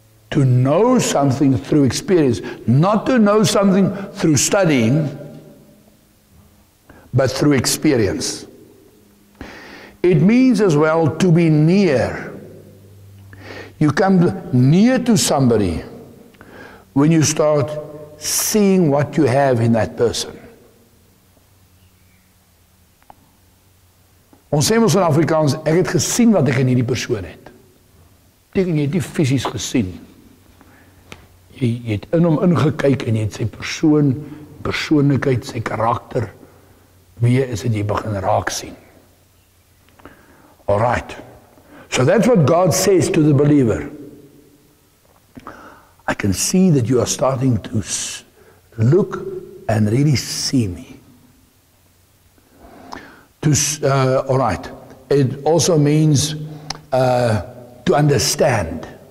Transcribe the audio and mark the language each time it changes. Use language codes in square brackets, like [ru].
[en] To know something through experience. Not to know something through studying, but through experience. It means as well to be near. You come near to somebody when you start seeing what you have in that person. [af] Ons sê ons in Afrikaans, ek het gesien wat ek in hierdie persoon het. Beteken, jy het nie fisies gesien. Jy het in hom ingekyk en jy het sy persoon, persoonlikheid, sy karakter, wie is het jy begin raak sien. [en] Alright. So that's what God says to the believer. I can see that you are starting to look and really see me. Alright, it also means to understand.